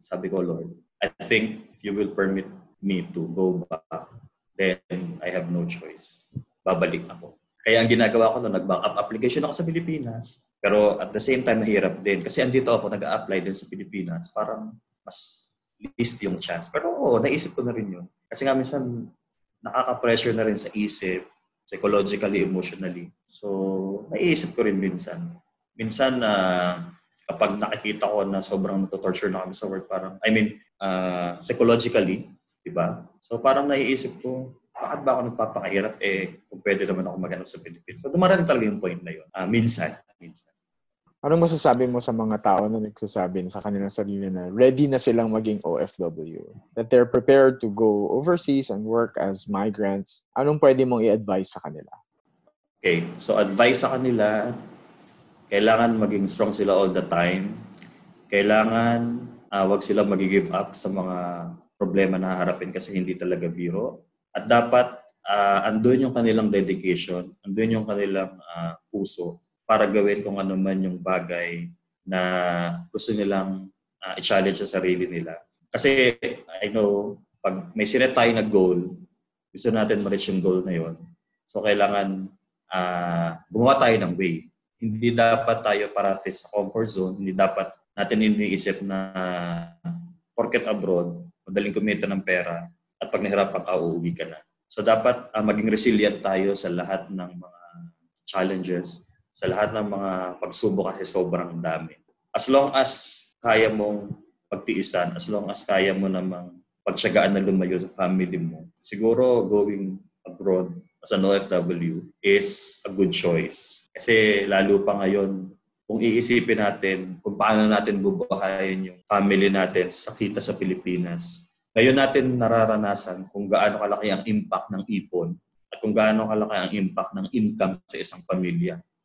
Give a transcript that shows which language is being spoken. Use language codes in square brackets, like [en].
[en] Sabi ko, Lord, I think if you will permit me to go back, then I have no choice. [tl] Babalik ako. Kaya ang ginagawa ko noon, nag-backup application ako sa Pilipinas. Pero at the same time, mahirap din. Kasi andito ako, nag-a-apply din sa Pilipinas. Parang mas least yung chance. Pero oo, naisip ko na rin yun. Kasi nga minsan, nakaka-pressure na rin sa isip, psychologically, emotionally. So, naisip ko rin minsan. Minsan, kapag nakikita ko na sobrang nato-torture na kami sa work, parang, I mean, psychologically, di ba? So, parang naiisip ko, bakit ba ako nagpapakahirap? Eh, kung pwede naman ako maganap sa Pilipinas. So, dumarating talaga yung point na yun. Minsan. Anong masasabi mo sa mga tao na nagsasabi sa kanilang sarili na ready na silang maging OFW? [en] That they're prepared to go overseas and work as migrants. [tl] Anong pwede mong i-advise sa kanila? Okay. So, advice sa kanila, kailangan maging strong sila all the time. Kailangan wag sila mag-give up sa mga problema na haharapin kasi hindi talaga biro. At dapat andun yung kanilang dedication, andun yung kanilang puso para gawin kung ano man yung bagay na gusto nilang i-challenge sa sarili nila. Kasi I know, pag may sinet tayo na goal, gusto natin ma-reach yung goal na yun. So kailangan gumawa tayo ng way. Hindi dapat tayo parati sa comfort zone. Hindi dapat natin iniisip na porket abroad, madaling kumita ng pera, at pag nahirapan ka, uuwi ka na. So dapat maging resilient tayo sa lahat ng mga challenges, sa lahat ng mga pagsubok kasi sobrang dami. [en] As long as kaya mong pagtiisan, as long as kaya mo namang pagsyagaan na lumayo sa family mo, siguro going abroad as an OFW is a good choice. [tl] Kasi lalo pa ngayon, kung iisipin natin kung paano natin bubuhayin yung family natin sa kita sa Pilipinas, ngayon natin nararanasan kung gaano kalaki ang impact ng ipon at kung gaano kalaki ang impact ng income sa isang pamilya.